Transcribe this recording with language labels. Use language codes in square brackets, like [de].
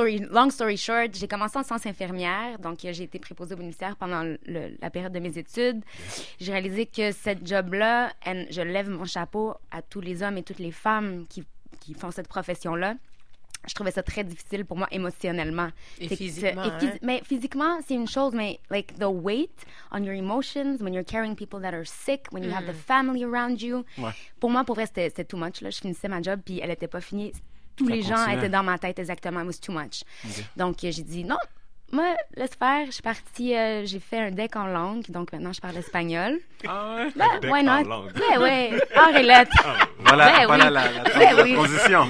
[en] Long story short, [fr] j'ai commencé en sciences infirmières. Donc, j'ai été préposée aux bénéficiaires pendant la période de mes études. J'ai réalisé que cette job-là, je lève mon chapeau à tous les hommes et toutes les femmes qui font cette profession-là. Je trouvais ça très difficile pour moi émotionnellement. Physiquement, c'est une chose, mais [en] like the weight on your emotions when you're carrying people that are sick, when you have the family around you. [fr] Ouais. Pour moi, pour vrai, c'était too much. Là. Je finissais ma job, puis elle n'était pas finie. Tous les gens étaient dans ma tête exactement. [en] It was too much. [fr] Okay. Donc, j'ai dit non, moi, laisse faire. Je suis partie, j'ai fait un deck en langue. Donc, maintenant, je parle espagnol. Ah ouais? Là, [en] why not? [fr] Ouais, ouais. Or et lettre. Oh, voilà ouais, voilà oui. La ouais, transition.